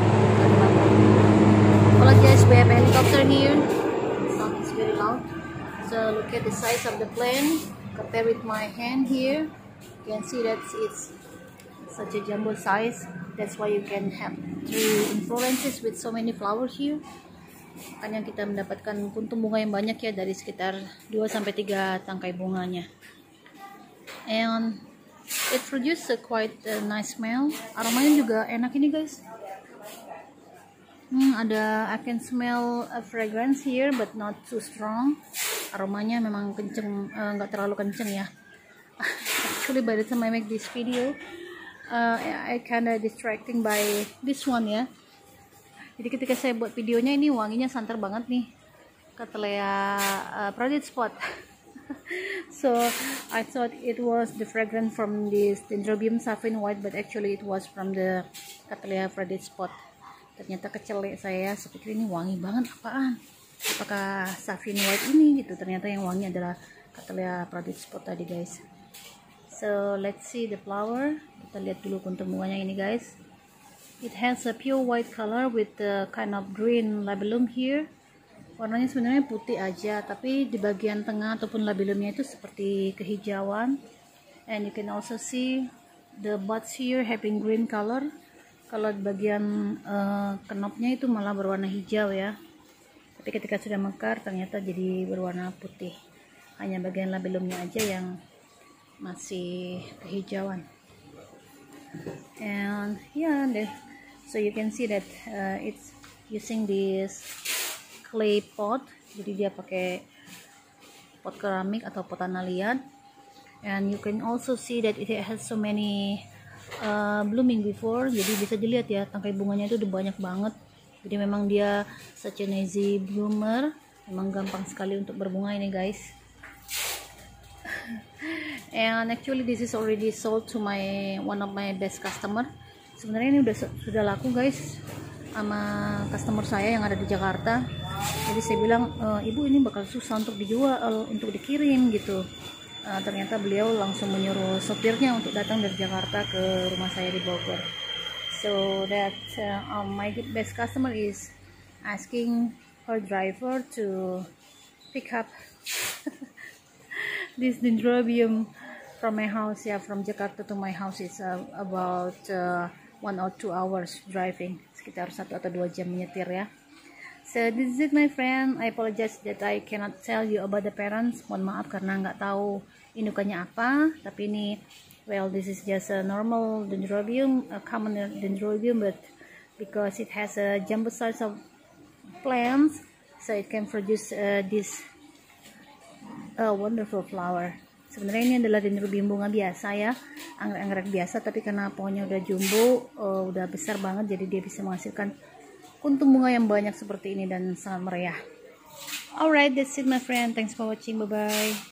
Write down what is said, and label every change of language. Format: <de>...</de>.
<en>Well guys, we have a helicopter here. The sound is very loud. So look at the size of the plant compared with my hand here. You can see that it's such a jumbo size. That's why you can have three inflorescences with so many flowers here.</en> <id>Makanya kita mendapatkan kuntum bunga yang banyak ya, dari sekitar 2-3 tangkai bunganya.</id> <en>And it produces a quite a nice smell.</en> <id>Aromanya juga enak ini guys.</id> <en>Ada, I can smell a fragrance here but not too strong.</en> <id>Aromanya memang kenceng, gak terlalu kenceng ya.</id> <en>Actually by the time I make this video, I kinda distracting by this one ya.</en> <id>Jadi ketika saya buat videonya ini wanginya santer banget nih. Cattleya Project Spot.</id> <en>So I thought it was the fragrance from this Dendrobium Seven White, but actually it was from the Cattleya Project Spot.</en> <id>Ternyata kecelek saya, sepikir ini wangi banget apaan. Apakah Seven White ini gitu. Ternyata yang wangi adalah Cattleya Project Spot tadi guys.</id> <en>So let's see the flower.</en> <id>Kita lihat dulu kuntum bunganya ini guys.</id> <en>It has a pure white color with a kind of green labellum here.</en> <id>Warnanya sebenarnya putih aja, tapi di bagian tengah ataupun labellumnya itu seperti kehijauan.</id> <en>And you can also see the buds here having green color.</en> <id>Kalau di bagian knopnya itu malah berwarna hijau ya. Tapi ketika sudah mekar ternyata jadi berwarna putih. Hanya bagian labellumnya aja yang masih kehijauan.</id> <en>And yeah, so you can see that it's using this clay pot.</en> <id>Jadi dia pakai pot keramik atau pot tanah liat.</id> <en>And you can also see that it has so many blooming before.</en> <id>Jadi bisa dilihat ya, tangkai bunganya itu udah banyak banget. Jadi memang dia</id> <en>such an easy bloomer.</en> <id>Memang gampang sekali untuk berbunga ini guys.</id> <en>And actually this is already sold to my one of my best customer.</en> <id>Sebenarnya ini sudah laku guys sama customer saya yang ada di Jakarta. Jadi saya bilang, ibu ini bakal susah untuk dijual, untuk dikirim gitu. Ternyata beliau langsung menyuruh sopirnya untuk datang dari Jakarta ke rumah saya di Bogor.</id> <en>So that my best customer is asking her driver to pick up this Dendrobium from my house, yeah, from Jakarta to my house is about 1 or 2 hours driving,</en> <id>sekitar 1 atau 2 jam menyetir ya.</id> <en>So this is it my friend. I apologize that I cannot tell you about the parents.</en> <id>Mohon maaf karena nggak tahu indukannya apa. Tapi ini,</id> <en>well, this is just a normal Dendrobium, a common Dendrobium, but because it has a jumbo size of plants, so it can produce this a wonderful flower.</en> <id>Sebenarnya ini adalah Dendrobium bunga biasa ya, anggrek-anggrek biasa, tapi karena pohonnya udah jumbo, udah besar banget, jadi dia bisa menghasilkan kuntum bunga yang banyak seperti ini dan sangat meriah.</id> <en>Alright, that's it my friend. Thanks for watching. Bye-bye.</en>